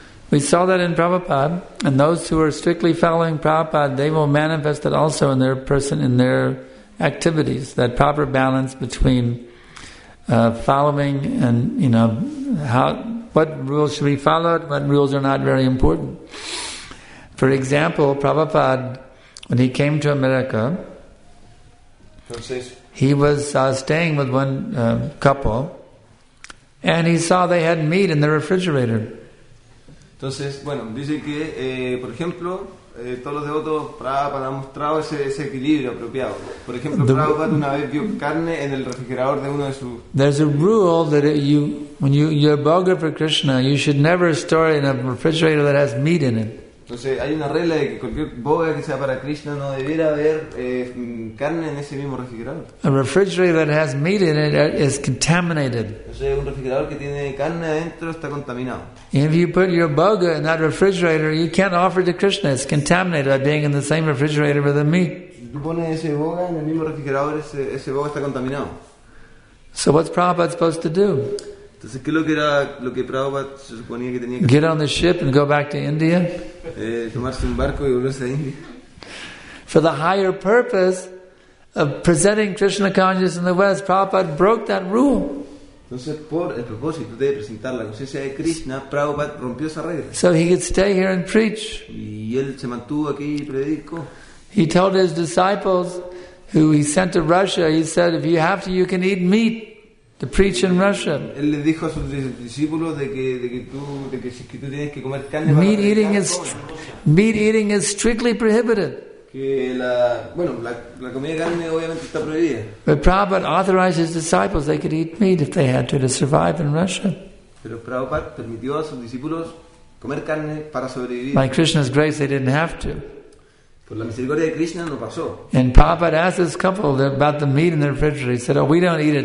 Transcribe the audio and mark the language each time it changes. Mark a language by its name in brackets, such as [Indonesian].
[English] We saw that in Prabhupada, and those who are strictly following Prabhupada, they will manifest it also in their person, in their activities, that proper balance between following and, you know, what rules should be followed, what rules are not very important. For example, Prabhupada, when he came to America, he was staying with one couple, and he saw they had meat in the refrigerator. [Spanish] Entonces, bueno, dice que, por ejemplo, todos los devotos, Prabhupada ha mostrado ese equilibrio apropiado. Por ejemplo, Prabhupada una vez vio carne en el refrigerador de uno de sus... [English] There's a rule that when you're bhoga for Krishna, you should never store it in a refrigerator that has meat in it. [Spanish] Entonces hay una regla de que cualquier boga que sea para Krishna no debiera haber carne en ese mismo refrigerador. [English] A refrigerator that has meat in it is contaminated. [Spanish] Entonces un refrigerador que tiene carne adentro está contaminado. [English] If you put your boga in that refrigerator, you can't offer to Krishna. It's contaminated by being in the same refrigerator with the meat. [Spanish] Si tú pones ese boga en el mismo refrigerador, ese boga está contaminado. [English] So what's Prabhupada supposed to do? [Spanish] Entonces, ¿qué es lo que Prabhupada se suponía que tenía que [English] get on the ship and go back to India? [Spanish] Tomarse un barco y volverse a India. [English] For the higher purpose of presenting Krishna consciousness in the West, Prabhupada broke that rule. [Spanish] Entonces, por el propósito de presentar la conciencia de Krishna, Prabhupada rompió esa regla. [English] So he could stay here and preach. [Spanish] Y él se mantuvo aquí y predicó. [English] He told his disciples, who he sent to Russia, he said, if you have to, you can eat meat. To preach in Russia. [Spanish] Él le dijo a sus discípulos de que tú tienes que comer carne. [English] Meat eating is strictly prohibited. [Spanish] Que la comida de carne obviamente está prohibida. [English] But Prabhupada authorized his disciples they could eat meat if they had to survive in Russia. [Spanish] Pero Prabhupada permitió a sus discípulos comer carne para sobrevivir. [English] By Krishna's grace, they didn't have to. [Spanish] Por la misericordia de Krishna no pasó. [English] And Prabhupada asked this couple about the meat in the refrigerator. He said, "Oh, we don't eat it.